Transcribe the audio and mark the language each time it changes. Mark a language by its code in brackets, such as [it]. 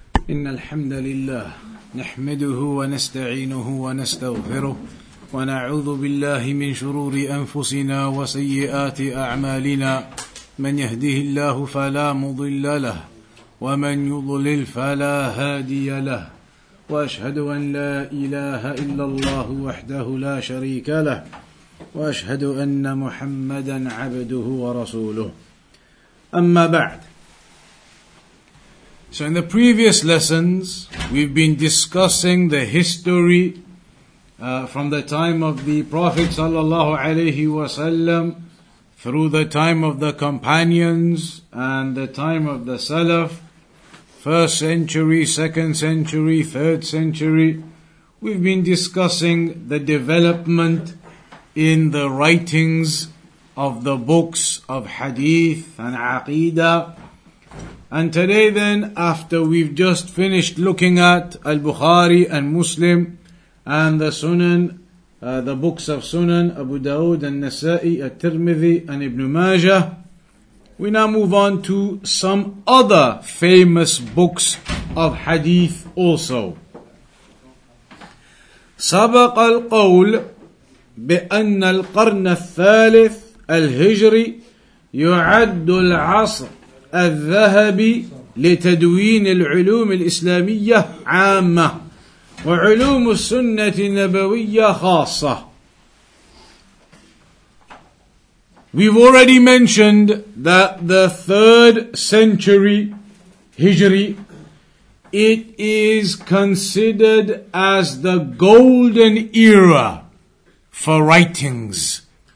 [ar] إن الحمد لله نحمده ونستعينه ونستغفره ونعوذ بالله من شرور أنفسنا وسيئات أعمالنا من يهده الله فلا مضل له ومن يضلل فلا هادي له وأشهد أن لا إله إلا الله وحده لا شريك له وأشهد أن محمدا عبده ورسوله أما بعد. [en] So in the previous lessons, we've been discussing the history from the time of the Prophet [ar] sallallahu alaihi wasallam [en] through the time of the companions and the time of the Salaf, first century, second century, third century. We've been discussing the development in the writings of the books of hadith and aqidah. And today then, after we've just finished looking at Al-Bukhari and Muslim and the Sunan, the books of Sunan, Abu Dawud and Nasa'i, At-Tirmidhi and Ibn Majah, we now move on to some other famous books of hadith also. [ar] سَبَقَ الْقَوْلُ بِأَنَّ الْقَرْنَ الثَّالِثِ الْهِجْرِ يُعَدُّ الْعَصْرِ الذهبي لتدوين العلوم الإسلامية عامة وعلوم السنة النبوية خاصة. [en] We've already mentioned that the third century Hijri, it is considered as the golden era for writings.